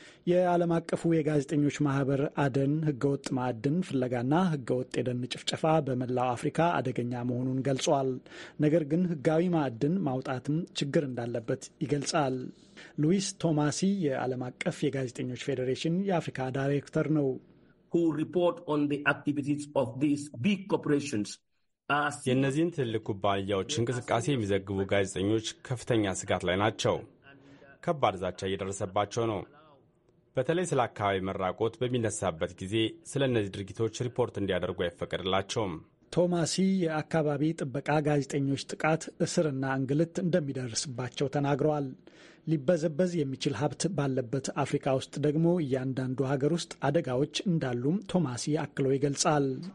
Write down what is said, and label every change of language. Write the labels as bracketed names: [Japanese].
[Amharic] የዓለም አቀፉ የጋዜጠኞች ማህበር አደን ህገወጥ ማዕድን ፍለጋና ህገወጥ የደን ጭፍጨፋ በመላው አፍሪካ አደገኛ መሆኑን ገልጿል። ነገር ግን ህጋዊ ማዕድን ማውጣትም ችግር እንዳለበት ይገልጻል። ሉዊስ ቶማሲ የዓለም አቀፍ የጋዜጠኞች ፌዴሬሽን የአፍሪካ ዳይሬክተር ነው። [English] Who report on the activities of these big corporations? [Amharic] የነዚህን ትልልቅ ኩባንያዎች እንቅስቃሴ የሚዘግቡ ጋዜጠኞች ከፍተኛ ስጋት ላይ ናቸው። ከባድ ዛቻ እየደረሰባቸው ነው። በተለይ ስለ አካባቢ መራቆት በሚነሳበት ጊዜ ስለ እነዚህ ድርጊቶች ሪፖርት እንዲያደርጉ አይፈቀድላቸውም። ቶማሲ የአካባቢ ጥበቃ ጋዜጠኞች ጥቃት፣ እስርና እንግልት እንደሚደርስባቸው ተናግረዋል። ሊበዘበዝ የሚችል ሀብት ባለበት አፍሪካ ውስጥ ደግሞ እያንዳንዱ ሀገር ውስጥ አደጋዎች እንዳሉም ቶማሲ አክሎ ይገልጻል።